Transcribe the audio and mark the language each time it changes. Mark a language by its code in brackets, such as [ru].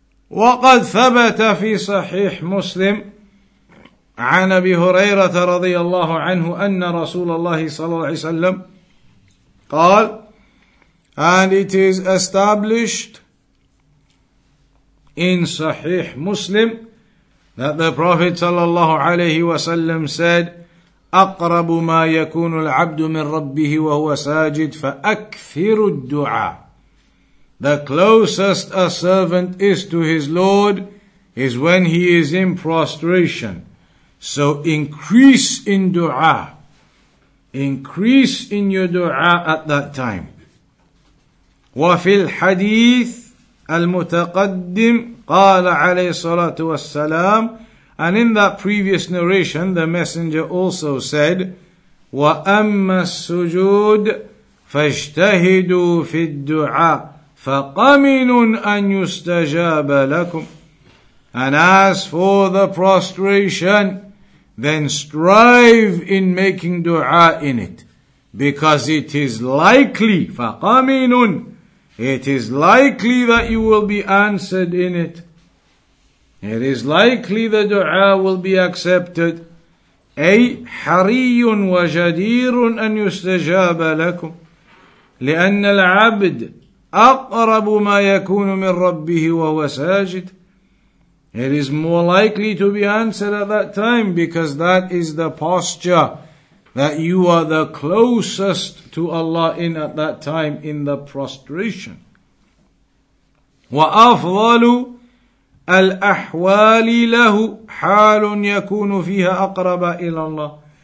[ar] وقد ثبت في صحيح مسلم عن أبي هريرة رضي الله عنه أن رسول الله صلى الله عليه وسلم قال, [en] and it is established in صحيح مسلم that the Prophet صلى الله عليه وسلم said, [ar] أقرب ما يكون العبد من ربه وهو ساجد فأكثر الدعاء. [en] The closest a servant is to his Lord is when he is in prostration. So increase in dua. Increase in your dua at that time. [ar] وفي الحديث المتقدم قال عليه الصلاة والسلام, [en] and in that previous narration the messenger also said, [ar] وَأَمَّا السُّجُودِ فَاجْتَهِدُوا فِي الدُّعَاءِ فَقَمِنٌ أَن يُسْتَجَابَ لَكُمْ. [en] And as for the prostration, then strive in making dua in it, because it is likely, فَقَمِنٌ, it is likely that you will be answered in it. It is likely the dua will be accepted. [ar] أي حَرِيٌ وَجَدِيرٌ أَن يُسْتَجَابَ لَكُمْ لِأَنَّ الْعَبْدِ أقرب ما يكون من ربه وهو ساجد. [en] It is more likely to be answered at that time, because that is the posture that you are the closest to Allah in at that time, in the prostration. [ar] وأفضل الْأَحْوَالِ لَهُ حَالٌ يَكُونُ فِيهَا أَقْرَبَ إِلَى اللَّهِ.